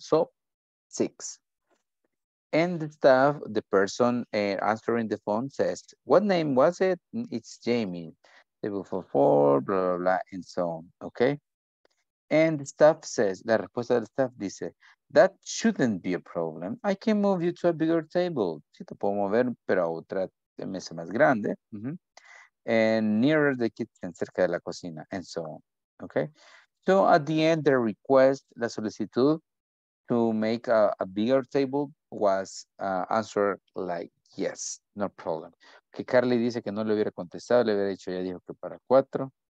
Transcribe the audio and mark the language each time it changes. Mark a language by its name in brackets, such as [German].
[English] So six. And the staff, the person answering the phone says, what name was it? It's Jamie. Table for four, blah, blah, blah, and so on. Okay. And the staff says, [Spanish] la respuesta del staff dice, [English] that shouldn't be a problem. I can move you to a bigger table. [Spanish] Sí, te puedo mover, pero a otra mesa más grande. [English] Mm-hmm. And nearer the kitchen, [Spanish] cerca de la cocina, [English] and so on. Okay. So at the end, the request, [Spanish] la solicitud [English] to make a bigger table was answered like, yes, no problem. [Spanish] Que Carly dice que no le hubiera contestado, le hubiera dicho, ya dijo que para cuatro.